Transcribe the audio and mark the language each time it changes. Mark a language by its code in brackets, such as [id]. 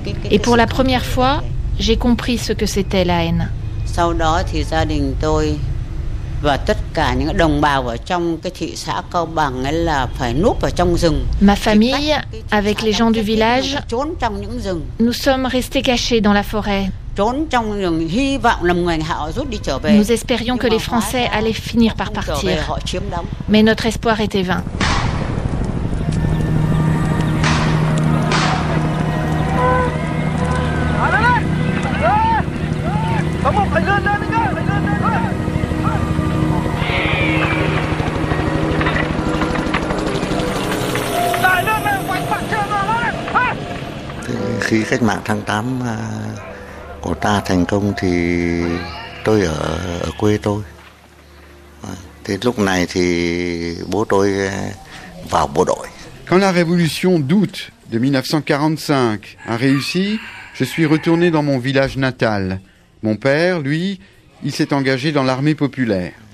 [fr] Et pour la première fois, j'ai compris ce que c'était la haine. [vi] Sau đó thì gia đình tôi và tất cả những đồng bào ở trong cái thị xã Cao Bằng ấy là phải núp ở trong rừng. [fr] Ma famille avec les gens du village, [vi] trốn trong những rừng. [fr] Nous sommes restés cachés dans la forêt. [vi] Trốn trong rừng hy vọng là người họ rút đi trở về. [fr] Nous espérions que les Français allaient finir par partir. Mais notre espoir était vain. [vi] Khi cách mạng tháng 8 của ta thành công thì tôi ở quê tôi. Thì lúc này thì bố tôi vào bộ đội. [fr] Quand la révolution d'août de 1945 a réussi, je suis retourné dans mon village natal. Mon père, lui, il s'est engagé dans l'armée populaire.